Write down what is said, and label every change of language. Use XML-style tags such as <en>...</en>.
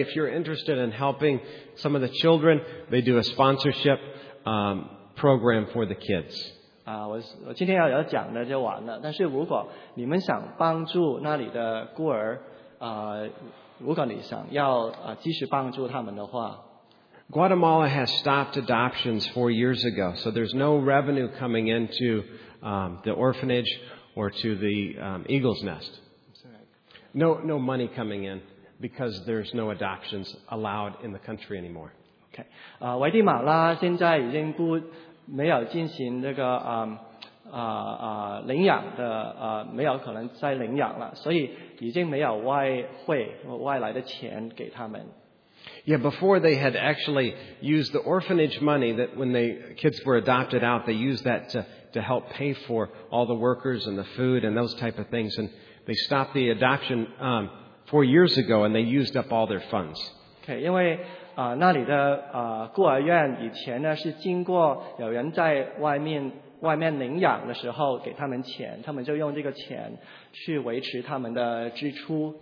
<en>If you're interested in helping some of the children, they do a sponsorship program for the kids.</en> <zh>我今天要讲的就完了，但是如果你们想帮助那里的孤儿，如果你想要及时帮助他们的话，</zh> <en>Guatemala has stopped adoptions 4 years ago, so there's no revenue coming into the orphanage or to the Eagle's Nest. No money coming in because there's no adoptions allowed in the country anymore. Okay.</en> <zh>危地马拉现在已经不没有进行这个领养的没有可能再领养了，所以已经没有外来的钱给他们。</zh> <en>Yeah, before they had actually used the orphanage money that when the kids were adopted out, they used that to help pay for all the workers and the food and those type of things. And they stopped the adoption 4 years ago and they used up all their funds.</en> <zh>Okay, 因为那里的孤儿院以前呢是经过有人在外面领养的时候给他们钱，他们就用这个钱去维持他们的支出。</zh>